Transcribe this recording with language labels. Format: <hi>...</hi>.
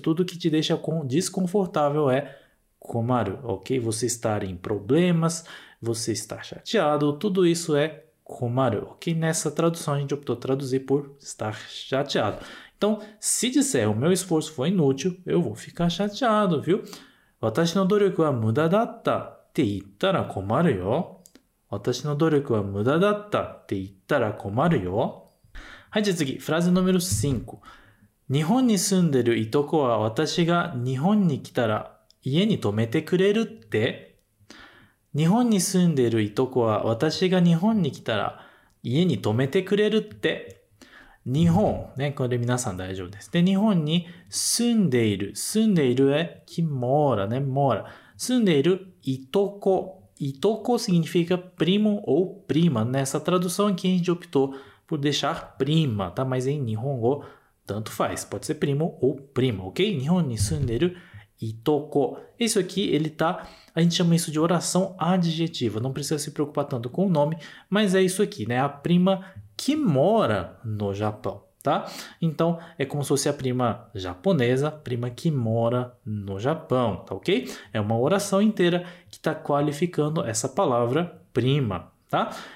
<pt>Tudo que te deixa desconfortável é komaru, ok? Você estar em problemas, você está chateado, tudo isso é komaru, ok? Nessa tradução a gente optou traduzir por estar chateado. Então, se disser o meu esforço foi inútil, eu vou ficar chateado, viu?</pt> <ja>私の努力は無駄だったって言ったら困るよ。私の努力は無駄だったって言ったら困るよ。はい、じゃあ次、フラーズ</ja> <pt>número 5。</pt> <ja>日本に住んでるいとこは私が日本に来たら家に泊めてくれるって? 日本に住んでいるいとこは私が日本に来たら家に泊めてくれるって。日本、ね、これ皆さん大丈夫です。で、日本に住んでいる。住んでいるえ、きもーらね、もーら。住んでいるいとこ。</ja> <pt>いとこ significa primo ou prima. Nessa tradução aqui a gente optou por deixar prima, tá? Mas em Nihongo, tanto faz. Pode ser primo ou prima, ok?</pt> <ja>日本に住んでいるいとこ。</ja> <pt>Isso aqui, ele tá... A gente chama isso de oração adjetiva. Não precisa se preocupar tanto com o nome, mas é isso aqui, né? A prima que mora no Japão, tá? Então, é como se fosse a prima japonesa, prima que mora no Japão, tá ok? É uma oração inteira que está qualificando essa palavra prima, tá?</pt>